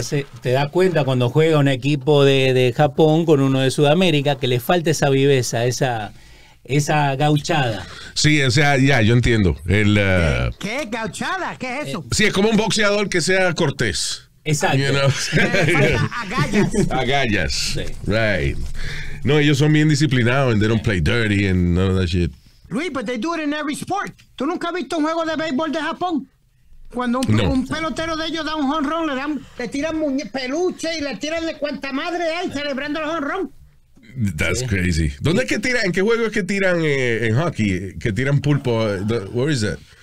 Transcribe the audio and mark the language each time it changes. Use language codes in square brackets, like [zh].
[es] Te das cuenta cuando juega un equipo de Japón con uno de Sudamérica que le falta esa viveza, esa gauchada. Sí, o sea, ya, yo entiendo. ¿Qué? ¿Gauchada? ¿Qué es eso? Sí, es como un boxeador que sea cortés. Exacto. [en] You know? [es] Agallas. Agallas. Sí. Right. No, ellos son bien disciplinados [en] and they don't play dirty and none of that shit. Luis, but they do it in every sport. [es] ¿Tú nunca has visto un juego de béisbol de Japón? Cuando un pelotero de ellos da un jonrón, le tiran peluche y le tiran de cuanta madre hay celebrando el jonrón. [en] That's crazy. [es] ¿Dónde es que tiran? ¿En qué juego es que tiran en hockey? ¿Que tiran pulpo? [en] Where is that?